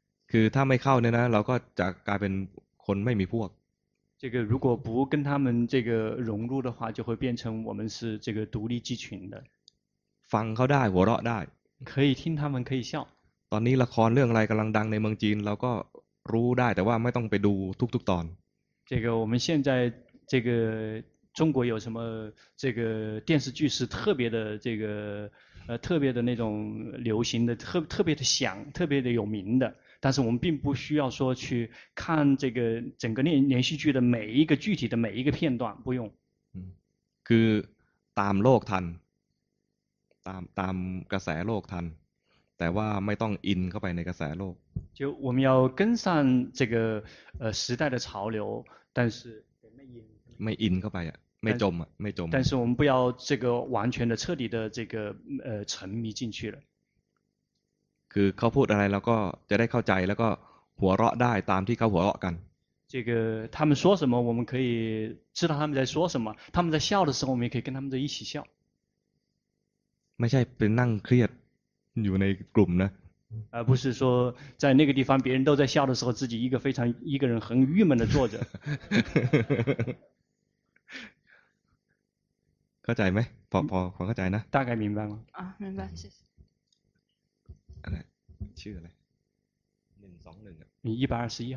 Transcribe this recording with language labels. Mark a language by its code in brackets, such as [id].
[th] คือถ้าไม่เข้าเนี่ยนะเราก็จะกลายเป็นคนไม่มีพวก [zh] 这个如果不跟他们这个融入的话就会变成我们是这个独立集群的 [th] ฟังเขาได้หัวเราะได้ [zh] 可以听他们可以笑 [th] ตอนนี้ละครเรื่องอะไรกำลังดังในเมืองจีนเราก็รู้ได้แต่ว่าไม่ต้องไปดูทุกตอน [zh] 这个我们现在这个中国有什么这个电视剧是特别的这个特别的那种流行的特别的响特别的有名的但是我们并不需要说去看这个整个连续剧的每一个具体的每一个片段不用 [th] คือตามโลกทันตามกระแสโลกทันแต่ว่าไม่ต้องอินเข้าไปในกระแสโลก [zh] 就我们要跟上这个时代的潮流但是 [th] ไม่อินเข้าไปอ่ะไม่จม แต่ [zh] 是我们不要这个完全的彻底的这个沉迷进去了 [th] คือเขาพูดอะไรแล้วก็จะได้เข้าใจแล้วก็หัวเราะได้ตามที่เขาหัวเราะกัน [zh] 这个他们说什么我们可以知道他们在说什么他们在笑的时候我们也可以跟他们在一起笑 [th] ไม่ใช่เป็นนั่งเครียดอยู่ในกลุ่มนะ [zh] 而不是说在那个地方别人都在笑的时候自己一个人很郁闷的坐着 [th] เข้าใจไหมพอเข้าใจนะ [zh] 大概明白吗啊明白谢谢 [th] อะไรชื่ออะไร121อ่ะ